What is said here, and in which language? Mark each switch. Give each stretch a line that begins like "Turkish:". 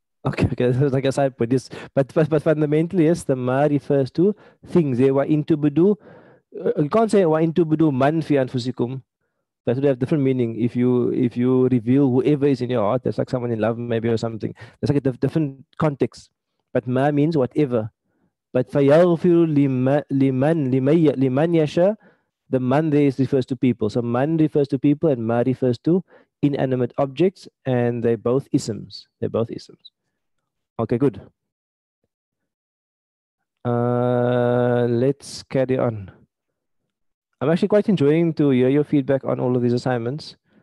English: Okay, this is like a side point. Yes. But fundamentally, yes, the ma refers to things. You can't say wa intu budu man fi anfusikum. That would have different meaning. If you reveal whoever is in your heart, that's like someone in love maybe or something. That's like a different context. But ma means whatever.
Arabic: But فَيَغْفِرُ لِمَنْ يَشَى.
English: The man there is refers to people. So man refers to people and ma refers to inanimate objects, and they're both isms. They're both isms. Okay, good. Let's carry on. I'm actually quite enjoying to hear your feedback on all of these assignments.